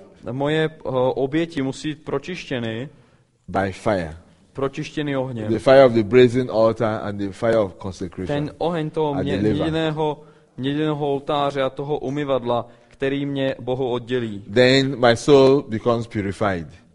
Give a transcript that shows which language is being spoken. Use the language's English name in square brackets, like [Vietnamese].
[Czech] Moje oběti musí být pročištěny. [English] By fire. [Czech] Pročištěny ohněm. [English] The fire of the brazen altar and the fire of consecration. [Czech] Ten oheň toho měděného oltáře a toho umyvadla, který mě Bohu oddělí. [English] Then my soul becomes purified.